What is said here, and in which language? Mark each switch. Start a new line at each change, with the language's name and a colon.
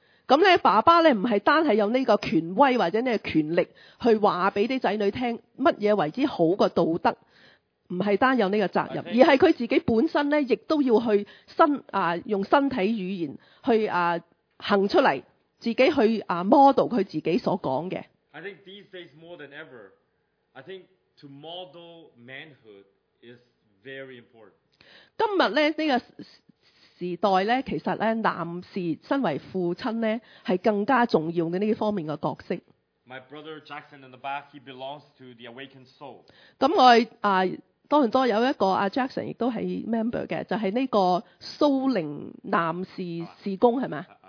Cantonese: 咁咧，爸爸咧唔系单系有呢个权威或者呢个权力去话俾啲仔女听乜嘢为之好嘅道德，唔系单有呢个责任，而系佢自己本身咧，亦都要去用身体语言去行出嚟，自己去model 佢自己所讲嘅。
English: I think these days more than ever, I think to model manhood is very important.
Cantonese: 今日咧呢个。時代咧，其實咧，男士身為父親咧，係更加重要嘅呢方面嘅角色。 My brother Jackson in the back, he belongs to the Awakened Soul。咁我多倫多有一個Jackson， 亦都係 member 嘅，就係呢個蘇寧男士事工係咪？